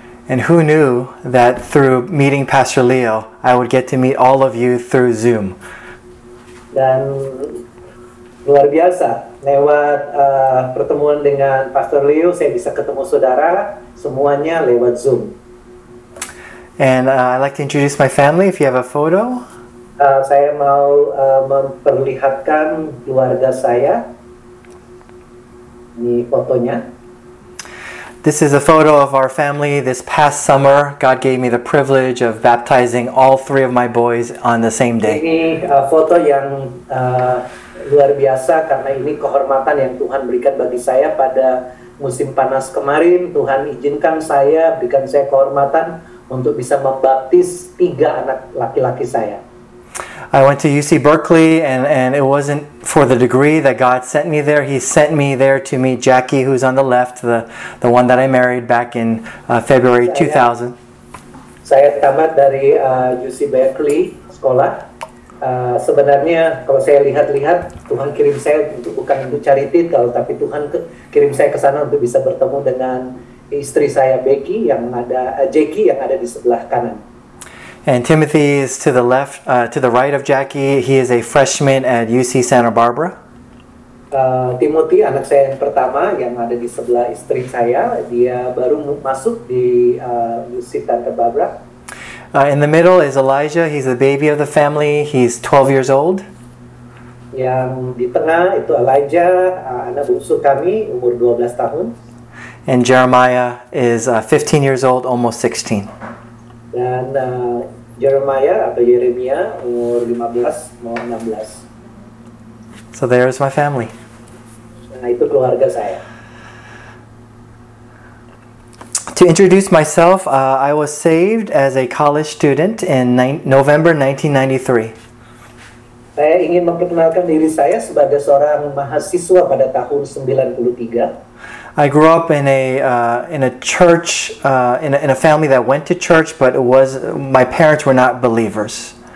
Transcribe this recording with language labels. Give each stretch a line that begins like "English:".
English: And who knew that through meeting Pastor Leo, I would get to meet all of you through Zoom?
Indonesian: Dan luar biasa. Lewat pertemuan dengan Pastor Leo, saya bisa ketemu saudara semuanya lewat Zoom.
English: And I'd like to introduce my family, if you have a photo.
Indonesian: Saya mau memperlihatkan keluarga saya. Ini fotonya.
English: This is a photo of our family. This past summer, God gave me the privilege of baptizing all three of my boys on the same day.
Indonesian: Ini foto yang luar biasa, karena ini kehormatan yang Tuhan berikan bagi saya pada musim panas kemarin. Tuhan izinkan saya, berikan saya kehormatan untuk bisa membaptis tiga anak laki-laki saya.
English: I went to UC Berkeley, and it wasn't for the degree that God sent me there. He sent me there to meet Jackie, who's on the left, the one that I married back in February 2000.
Indonesian: Saya tamat dari UC Berkeley sekolah. Sebenarnya kalau saya lihat-lihat, Tuhan kirim saya untuk bukan untuk cari titel, tapi Tuhan kirim saya ke sana untuk bisa bertemu dengan istri saya Becky yang ada Jackie yang ada di sebelah kanan.
English: And Timothy is to the left, to the right of Jackie. He is a freshman at UC Santa Barbara.
Indonesian: Timothy, anak saya yang pertama yang ada di sebelah istri saya, dia baru masuk di UC Santa Barbara.
English: In the middle is Elijah. He's the baby of the family. He's 12 years old.
Indonesian: Yang di tengah itu Elijah, anak bungsu kami, umur 12 tahun.
English: And Jeremiah is 15 years old, almost 16.
Indonesian: Dan Jeremiah atau Yeremia umur 15, mau 16.
English: So there is my family.
Indonesian: Nah, itu keluarga saya.
English: To introduce myself, I was saved as a college student in November 1993.
Indonesian: Saya ingin memperkenalkan diri saya sebagai seorang mahasiswa pada tahun 93.
English: I grew up in a church in a family that went to church, but it was my parents were not believers.